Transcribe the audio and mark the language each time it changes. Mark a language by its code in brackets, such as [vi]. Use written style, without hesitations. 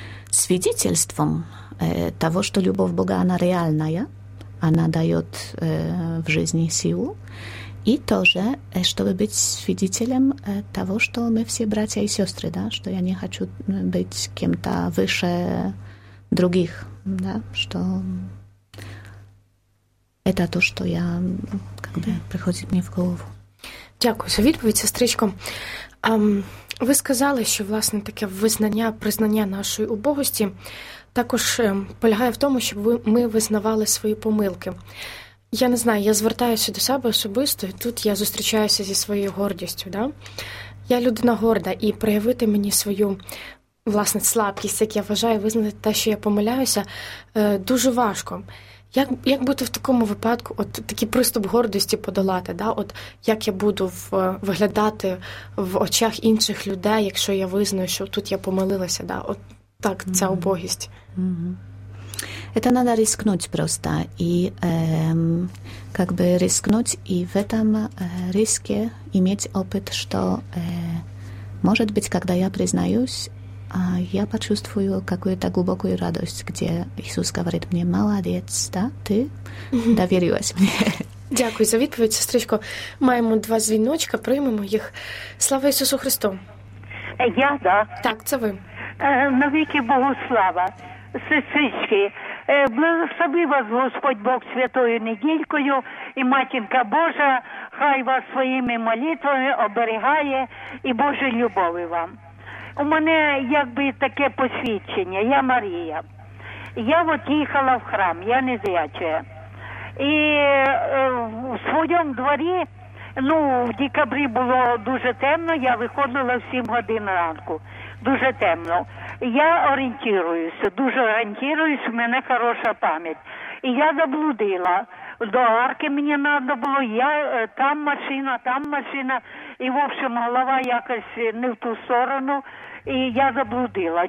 [ru] свидетельством того, что любовь Бога, она реальная, она дает в жизни силу, и тоже, чтобы быть свидетелем того, что мы все братья и сестры, да, что я не хочу быть кем-то выше других, да, что это то, что я как бы приходит мне в голову. [uk] Дякую за відповідь, сестричко. Ви сказали, що власне таке визнання, признання нашої убогості також полягає в тому, щоб ми визнавали свої помилки. Я не знаю, я звертаюся до себе особисто, і тут я зустрічаюся зі своєю гордістю, да? Я людина горда, і проявити мені свою власне, слабкість, як я вважаю, визнати те, що я помиляюся, дуже важко. Як бути в такому випадку, от такий приступ гордості подолати, да? От як я буду виглядати в очах інших людей, якщо я визнаю, що тут я помилилася, да? От так, ця убогість. [ru] Это надо рискнуть просто, и как бы рискнуть, и в этом риске иметь опыт, что, может быть, когда я признаюсь, я почувствую какую-то глубокую радость, где Иисус говорит мне, молодец, да, ты доверилась мне. [uk] Дякую за відповідь, сестричко. Маємо два дзвіночка, приймемо їх. Слава Ісусу Христу! Я, да. Так, це ви. Навіки Богу слава, сестрички. Благослови вас Господь Бог святою недількою, і Матінка Божа хай вас своїми молитвами оберігає і Божої любові вам. У мене якби таке посвідчення, я Марія. Я от їхала в храм, я не зрячая. І в своєму дворі, ну, в декабрі було дуже темно, я виходила в 7 годин ранку. Дуже темно. Я орієнтуюся, дуже орієнтуюся, в мене хороша пам'ять. І я заблудила. До арки мені треба було, я, там машина, і, в общем, голова якось не в ту сторону, і я заблудила.